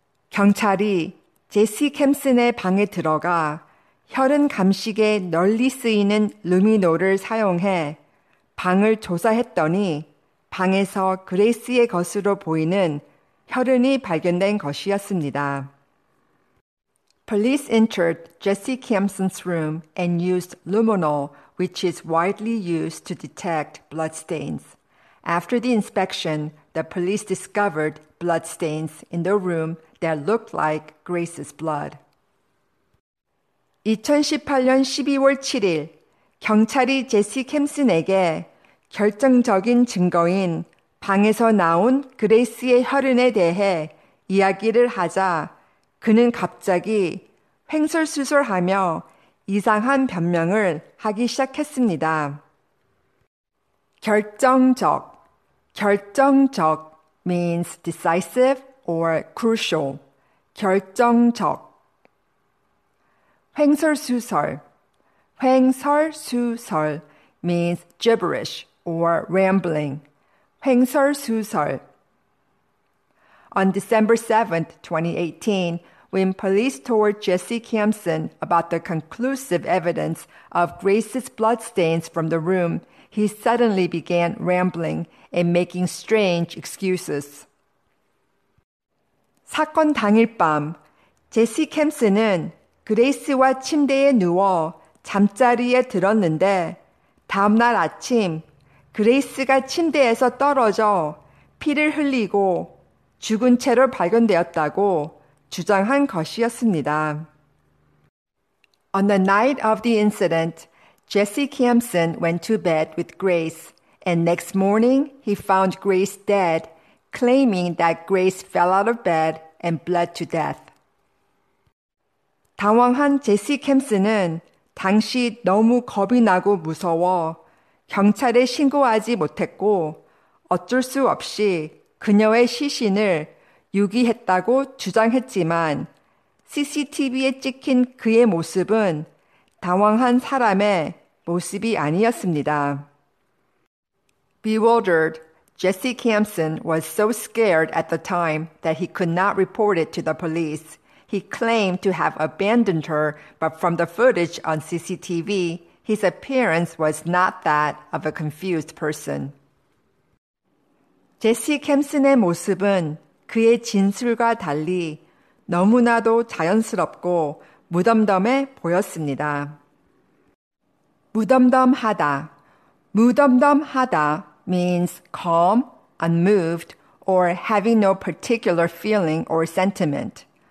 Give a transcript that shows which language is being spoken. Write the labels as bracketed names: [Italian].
[Korean] 경찰이 제시 캠슨의 방에 들어가 혈흔 감식에 널리 쓰이는 루미노를 사용해 방을 조사했더니 방에서 그레이스의 것으로 보이는 혈흔이 발견된 것이었습니다. [English] Police entered Jesse Campson's room and used luminol, which is widely used to detect bloodstains. After the inspection, the police discovered bloodstains in the room that looked like Grace's blood. [Korean] 2018년 12월 7일, 경찰이 제시 캠슨에게 결정적인 증거인 방에서 나온 그레이스의 혈흔에 대해 이야기를 하자 그는 갑자기 횡설수설하며 이상한 변명을 하기 시작했습니다. 결정적, [English] means decisive or crucial. 결정적. 횡설수설. 횡설수설 means gibberish or rambling. [Korean] 횡설수설. [English] On December 7, 2018, when police told Jesse Campson about the conclusive evidence of Grace's bloodstains from the room, he suddenly began rambling and making strange excuses. [Korean] 사건 당일 밤, 제시 캠슨은 그레이스와 침대에 누워 잠자리에 들었는데 다음 날 아침 그레이스가 침대에서 떨어져 피를 흘리고 죽은 채로 발견되었다고 주장한 것이었습니다. [English] On the night of the incident, Jesse Campson went to bed with Grace, and next morning he found Grace dead, claiming that Grace fell out of bed and bled to death. [Korean] 당황한 제시 캠슨은 당시 너무 겁이 나고 무서워 경찰에 신고하지 못했고 어쩔 수 없이 그녀의 시신을 유기했다고 주장했지만 CCTV에 찍힌 그의 모습은 당황한 사람의 모습이 아니었습니다. [English] Bewildered, Jesse Campson was so scared at the time that he could not report it to the police. He claimed to have abandoned her, but from the footage on CCTV, his appearance was not that of a confused person. [Korean] 제시 캠슨의 모습은 그의 진술과 달리 너무나도 자연스럽고 무덤덤해 보였습니다. 무덤덤하다. 무덤덤하다 [English] means calm, unmoved, or having no particular feeling or sentiment.